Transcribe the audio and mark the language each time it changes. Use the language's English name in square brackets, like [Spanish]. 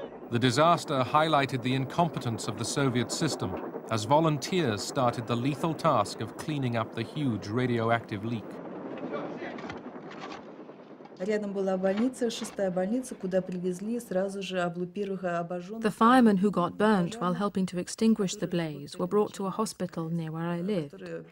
[English] The disaster highlighted the incompetence of the Soviet system, as volunteers started the lethal task of cleaning up the huge radioactive leak. [Russian] Рядом была больница, шестая больница, куда привезли сразу же облупированных обожженных. [English] The firemen who got burnt while helping to extinguish the blaze were brought to a hospital near where I lived.